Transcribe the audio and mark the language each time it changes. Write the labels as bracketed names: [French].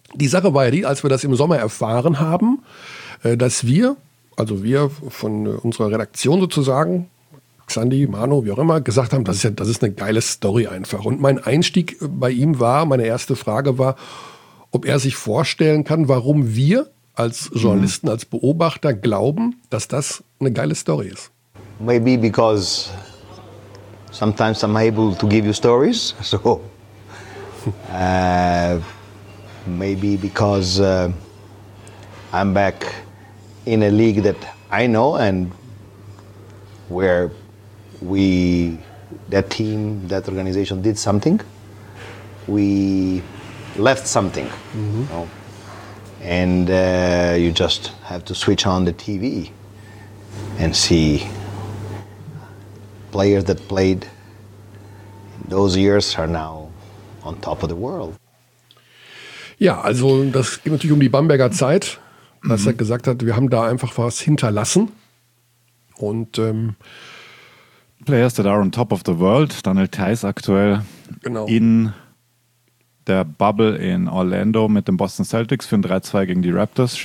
[German] Die Sache war ja die, als wir das im Sommer erfahren haben, dass wir, also wir von unserer Redaktion sozusagen, Xandi, Manu, wie auch immer, gesagt haben, das ist eine geile Story einfach. Und mein Einstieg bei ihm war, meine erste Frage war, ob er sich vorstellen kann, warum wir als Journalisten, als Beobachter glauben, dass das eine geile Story ist. [English] Maybe because sometimes I'm able to give you stories, so maybe because I'm back in a league that I know and where we, that team, that organization did something, we left something, you know? And you just have to switch on the TV and see players that played in those years are now on top of the world. [German] Ja, also das geht natürlich um die Bamberger Zeit, dass er gesagt hat, wir haben da einfach was hinterlassen. Und [English] Players that are on top of the world, [German] Daniel Theis aktuell in der Bubble in Orlando mit den Boston Celtics für ein 3-2 gegen die Raptors.